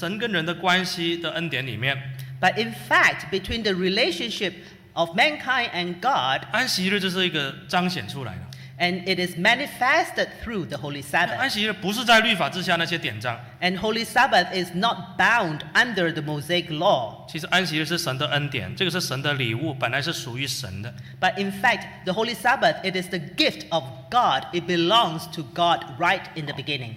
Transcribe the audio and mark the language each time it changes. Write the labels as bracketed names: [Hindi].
[Chinese] 但是整个神的跟人，神跟人的关系的恩典里面。 [English] But in fact, between the relationship of mankind and God, [Chinese] 安息日就是一个彰显出来的。 [English] And it is manifested through the Holy Sabbath. [Chinese] 安息日不是在律法之下那些典章。 [English] And Holy Sabbath is not bound under the Mosaic law. [Chinese] 其实安息日是神的恩典，这个是神的礼物，本来是属于神的。 [English] But in fact, the Holy Sabbath, it is the gift of God. It belongs to God right in the beginning.